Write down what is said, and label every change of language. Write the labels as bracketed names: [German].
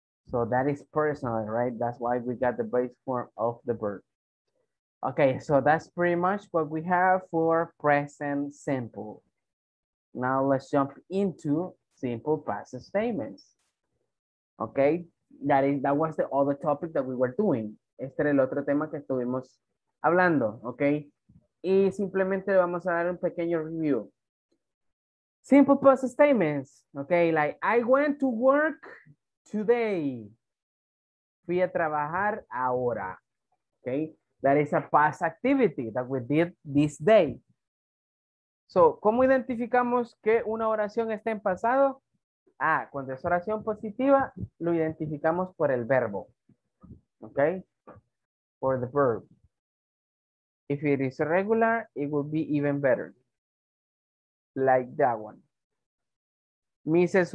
[English] So that is personal, right? That's why we got the base form of the verb. Okay, so that's pretty much what we have for present simple. Now let's jump into simple past statements. Okay, that was the other topic that we were doing. [Spanish] Este era el otro tema que estuvimos hablando, okay? Y simplemente vamos a dar un pequeño review. [English] Simple past statements, [Spanish] okay? [English] Like, I went to work today. [Spanish] Fui a trabajar ahora, [English] okay? That is a past activity that we did this day. [Spanish] So, ¿cómo identificamos que una oración está en pasado? Ah, cuando es oración positiva, lo identificamos por el verbo, okay? [English] For the verb. If it is irregular, it will be even better. Like that one. Mrs.